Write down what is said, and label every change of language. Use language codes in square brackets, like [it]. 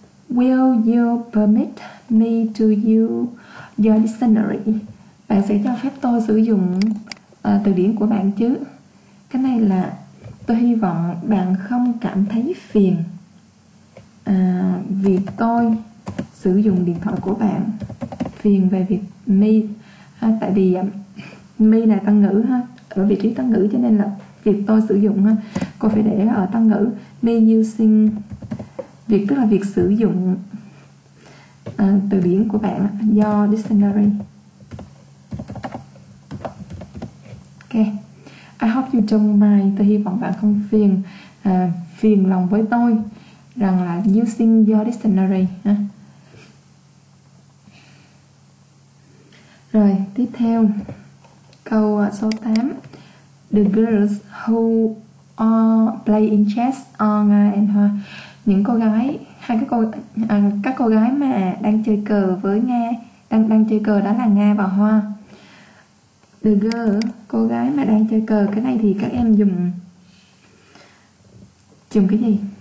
[en] Will you permit me to use your dictionary? [vi] Bạn sẽ cho phép tôi sử dụng từ điển của bạn chứ? Cái này là tôi hy vọng bạn không cảm thấy phiền vì tôi sử dụng điện thoại của bạn. Phiền về việc me ha, tại vì me là tân ngữ ha, ở vị trí tân ngữ cho nên là việc tôi sử dụng ha. Cô phải để ở tân ngữ. [en] Me using, [vi] việc tức là việc sử dụng từ điển của bạn, [en] your dictionary. Ok. I hope you don't mind. [vi] Tôi hy vọng bạn không phiền phiền lòng với tôi rằng là [en] using your dictionary [vi] ha. Rồi, tiếp theo. Câu số 8. [en] The girls who are playing chess are Nga and Hoa. [vi] Những cô gái, hai cái cô, các cô gái mà đang chơi cờ với Nga, đang chơi cờ đó là Nga và Hoa. [en] The girl, [vi] cô gái mà đang chơi cờ, cái này thì các em dùng cái gì?